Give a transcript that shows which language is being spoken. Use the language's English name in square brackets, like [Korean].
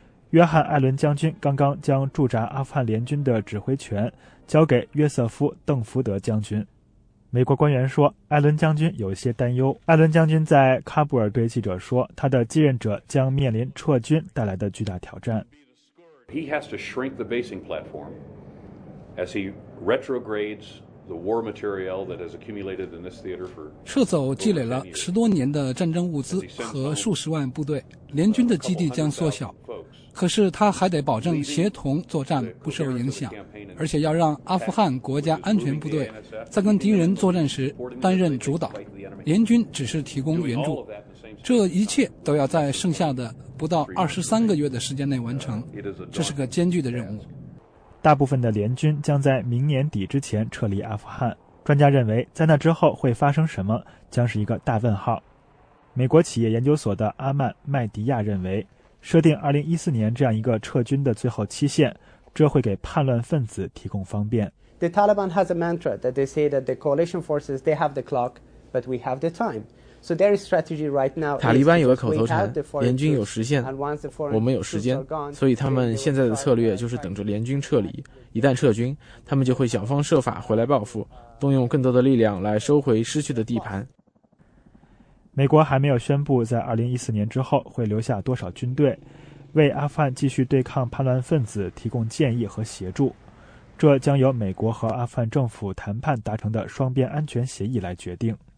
[Chinese] 约翰·艾伦将军刚刚将驻扎阿富汗联军的指挥权交给约瑟夫·邓福德将军。美国官员说，艾伦将军有些担忧。艾伦将军在喀布尔对记者说，他的继任者将面临撤军带来的巨大挑战。 [English] He has to shrink the basing platform as he retrogrades the war material that has accumulated in this theater for. [Chinese] 撤走积累了十多年的战争物资和数十万部队，联军的基地将缩小。可是他还得保证协同作战不受影响，而且要让阿富汗国家安全部队在跟敌人作战时担任主导，联军只是提供援助。这一切都要在剩下的不到23个月的时间内完成，这是个艰巨的任务。大部分的联军将在明年底之前撤离阿富汗，专家认为在那之后会发生什么将是一个大问号。美国企业研究所的阿曼·麦迪亚认为，设定2014年这样一个撤军的最后期限，这会给叛乱分子提供方便。 [English] The Taliban has a mantra that they say that the coalition forces they have the clock, but we have the time. So their strategy right now is, [Chinese] 塔利班有个口头禅，联军有时限，我们有时间，所以他们现在的策略就是等着联军撤离，一旦撤军，他们就会想方设法回来报复，动用更多的力量来收回失去的地盘。美国还没有宣布在2014年之后会留下多少军队，为阿富汗继续对抗叛乱分子提供建议和协助，这将由美国和阿富汗政府谈判达成的双边安全协议来决定。